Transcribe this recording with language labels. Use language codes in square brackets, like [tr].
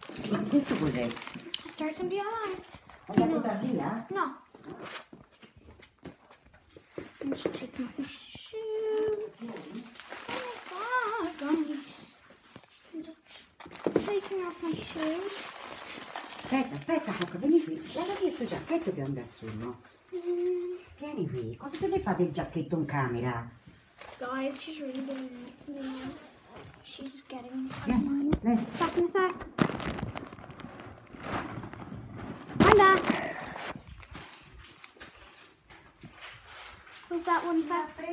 [it] Ma questo cos'è? [en] Start some DIYs. No. No. I'm just taking my shoe. Oh my god, I'm just taking off my shoe. [it] Aspetta, aspetta, Coco, vieni qui. L'hai chiesto il giacchetto che andare su, no? Vieni qui. Cosa te ne fate il giacchetto in camera? [en] Guys, she's really doing it to me. She's getting out of mind. Back in a sec. That one's up.